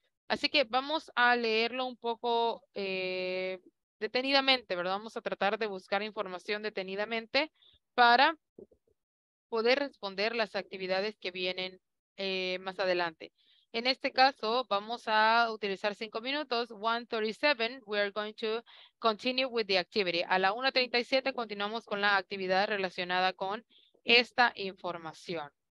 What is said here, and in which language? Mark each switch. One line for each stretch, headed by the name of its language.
Spanish: Así que vamos a leerlo un poco detenidamente, ¿verdad? Vamos a tratar de buscar información detenidamente para poder responder las actividades que vienen más adelante. En este caso, vamos a utilizar 5 minutos.
English: 1:37, we are going to continue with the activity.
Spanish: A la 1:37, continuamos con la actividad relacionada con esta información.